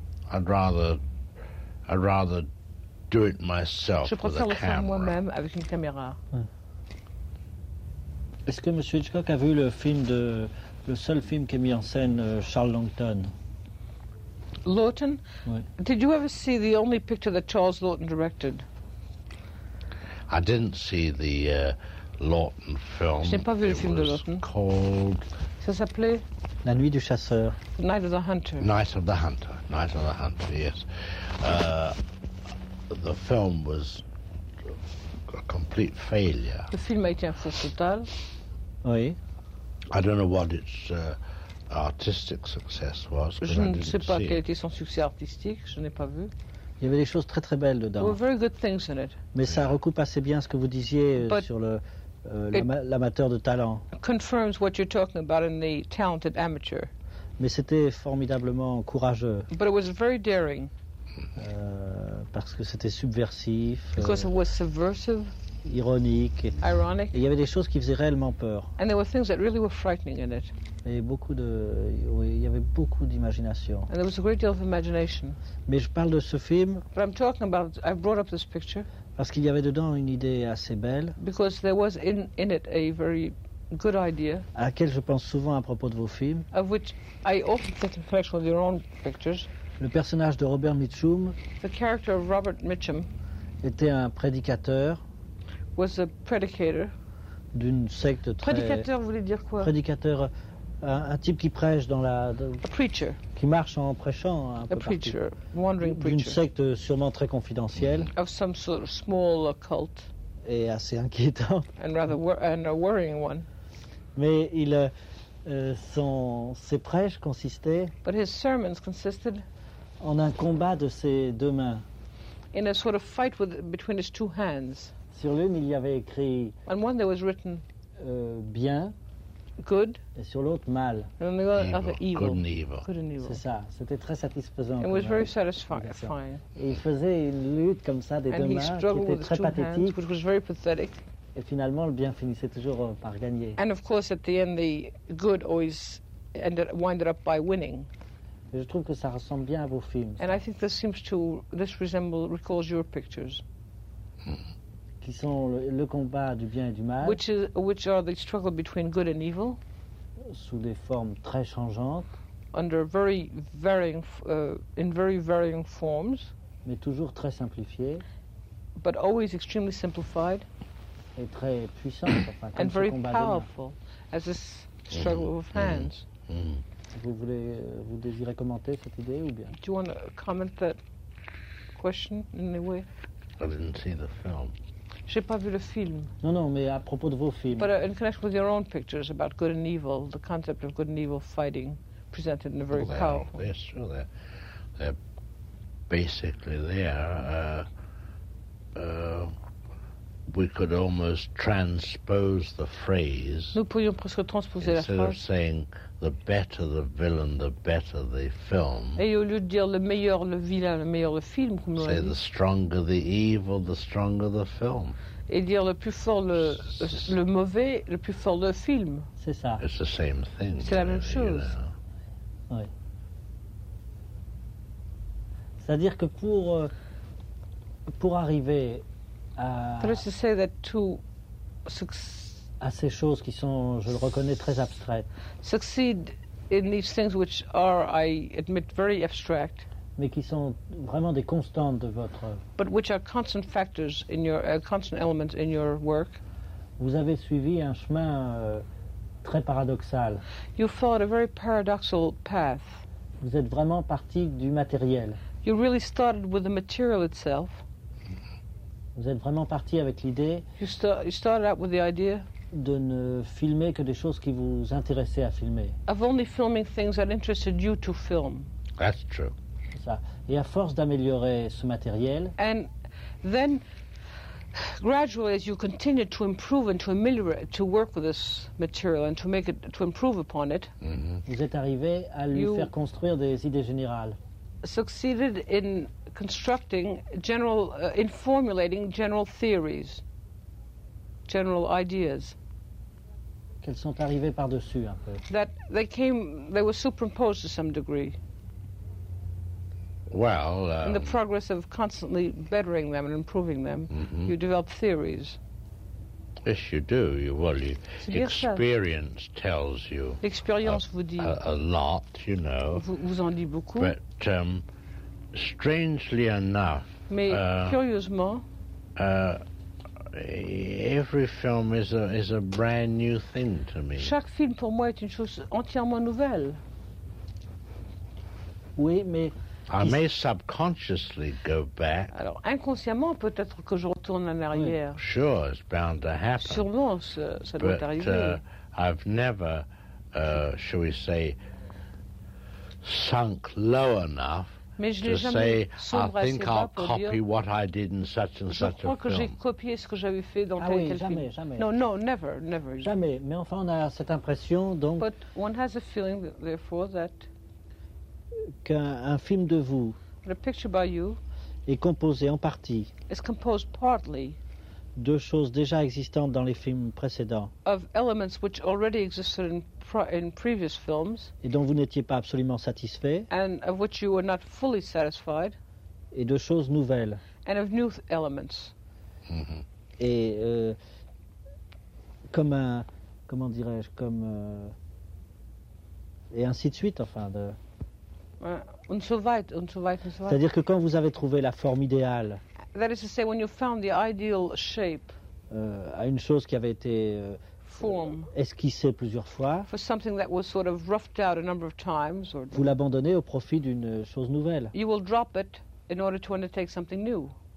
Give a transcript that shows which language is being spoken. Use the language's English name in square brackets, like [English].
[English] I'd rather do it myself. [French] Je préfère [English] with a [French] le faire moi-même avec une caméra. Est-ce que Monsieur Hitchcock a vu le seul film qui a mis en scène Charles Laughton? Laughton? Oui. [English] Did you ever see the only picture that Charles Laughton directed? I didn't see the Laughton film. [French] Je n'ai pas vu le film de Laughton. [English] Called. [French] Ça s'appelait. La nuit du chasseur. [English] Night of the Hunter. Night of the Hunter. Night of the Hunter. Yes. The film was a complete failure. [French] Le film a été un four total. Oui. [English] I don't know what its artistic success was. [French] Je ne sais pas quel était son succès artistique. Je n'ai pas vu. Il y avait des choses très très belles dedans. [English] There were very good things in it. [French] Mais ça recoupe assez bien ce que vous disiez sur l'amateur de talent. [English] Confirms what you're talking about in the talented amateur. [French] Mais c'était formidablement courageux. [English] But it was very daring. [French] Parce que c'était subversif, [English] because it was subversive, [French] ironique, [English] ironic. [French] Et il y avait des choses qui faisaient réellement peur. [English] And there were things that really were frightening in it. [French] Et beaucoup de, oui, il y avait beaucoup d'imagination. [English] And there was a great deal of imagination. [French] Mais je parle de ce film. [English] But I'm talking about. I've brought up this picture. [French] Parce qu'il y avait dedans une idée assez belle. [English] Because there was in it a very good idea. [French] À laquelle je pense souvent à propos de vos films. [English] Of which I often think in connection with your own pictures. [French] Le personnage de Robert Mitchum, [English] the character of Robert Mitchum [French] était un prédicateur, [English] was a predicator, [French] d'une secte très... Prédicateur, vous voulez dire quoi? Prédicateur, un type qui prêche dans la... [English] A preacher. [French] Qui marche en prêchant un [English] a [French] peu [English] preacher, [French] partout. [English] Wandering preacher. [French] D'une secte sûrement très confidentielle. [English] Of some sort of small cult. [French] Et assez inquiétant. [English] And rather and a worrying one. [French] Mais il, ses prêches consistaient [English] But his sermons consisted [French] en un combat de ses deux mains. [English] In a sort of fight with, between his two hands. [French] Sur l'une, il y avait écrit [English] On one there was written [French] bien. [English] Good. [French] Et sur l'autre, mal. [English] And on the other, evil. Good and evil. Good and evil. [French] C'est ça. C'était très satisfaisant. [English] It was very satisfying. [French] Et il faisait une lutte comme ça des [English] and [French] deux mains qui était très pathétique. [English] Hands, which was very pathetic. [French] Et finalement, le bien finissait toujours par gagner. [English] And of course, at the end, the good always ended, winded up by winning. [French] Et je trouve que ça ressemble bien à vos films. [English] And I think this seems to this resemble recalls your pictures. [French] Qui sont le combat du bien et du mal. [English] Which are the struggle between good and evil. [French] Sous des formes très changeantes. [English] Under very varying, in very varying forms. [French] Mais toujours très simplifiées. [English] But always extremely simplified. [French] Et très puissantes, enfin, comme [English] and [French] ce [English] very [French] combat [English] powerful, [French] de mal. [English] As this struggle of hands. [French] Vous désirez commenter cette idée ou bien? [English] Do you want to comment that question in any way? I didn't see the film. [French] J'ai pas vu le film. Non, non, mais à propos de vos films. [English] But in connection with your own pictures about good and evil, the concept of good and evil fighting presented in a very powerful. Yes, sure. They're basically there. We could almost transpose the phrase. [French] Nous pourrions presque transposer la phrase. [English] Instead of saying the better the villain, the better the film. [French] Et au lieu de dire le meilleur le vilain, le meilleur le film, comme on [English] dit. Say the stronger the evil, the stronger the film. [French] Et dire le plus fort le mauvais, le plus fort le film. C'est ça. [English] It's the same thing. [French] C'est la même chose. Oui. C'est-à-dire que pour arriver à. [English] But it's to say that to. [French] À ces choses qui sont, je le reconnais, très abstraites. [English] Succeed in these things which are, I admit, very abstract. [French] Mais qui sont vraiment des constantes de votre. [English] But which are constant factors in your constant elements in your work. [French] Vous avez suivi un chemin très paradoxal. [English] You followed a very paradoxical path. [French] Vous êtes vraiment parti du matériel. [English] You really started with the material itself. [French] Vous êtes vraiment parti avec l'idée. [English] You started out with the idea. [French] De ne filmer que des choses qui vous intéressaient à filmer. [English] Of only filming things that interested you to film. That's true. [French] Ça. Et à force d'améliorer ce matériel. [English] And then, gradually, as you continued to improve and to ameliorate, to work with this material and to make it, to improve upon it. Mm-hmm. [French] Vous êtes arrivé à lui faire construire des idées générales. [English] Succeeded in constructing general, in formulating general theories. General ideas. [French] Qu'elles sont arrivées par-dessus un peu. [English] That they came, they were superimposed to some degree. Well. In the progress of constantly bettering them and improving them, mm-hmm. you develop theories. Yes, you do. You experience [French] ça. [English] Tells you. [French] L'expérience vous dit. [English] A lot, you know. [French] Vous en dit beaucoup. [English] But strangely enough. [French] Mais curieusement. [English] Every film is a brand new thing to me. [French] Chaque film pour moi est une chose entièrement nouvelle. Oui, mais [English] I may subconsciously go back. [French] Alors inconsciemment peut-être que je retourne en arrière. [English] Oui. Sure, it's bound to happen. [French] Sûrement, ça doit arriver. [English] But I've never, shall we say, sunk low enough. [French] Mais je [English] to say, I think I'll copy what I did in such and such a film. [French] Je crois que j'ai copié ce que j'avais fait dans ah tel oui, tel jamais, film. Jamais, jamais. [English] No, no, never, never. [French] Jamais. Mais enfin, on a cette impression, donc. [English] But one has a feeling, therefore, that. [French] Qu'un film de vous. [English] A picture by you. [French] Est composé en partie. [English] Is composed partly. [French] De choses déjà existantes dans les films précédents. [English] Of elements which already existed in previous films. [French] Et dont vous n'étiez pas absolument satisfait. [English] And of which you were not fully satisfied. [French] Et de choses nouvelles. [English] And of new elements. [French] Et comme un, comment dirais-je, comme et ainsi de suite, enfin de. [German] Und so weiter. [French] C'est-à-dire que quand vous avez trouvé la forme idéale. [English] That is to say, when you found the ideal shape. [French] À une chose qui avait été [English] form, [French] esquissée plusieurs fois. [English] For something that was sort of roughed out a number of times. Or [French] vous l'abandonnez au profit d'une chose nouvelle. [English] You will drop it in order to undertake something new.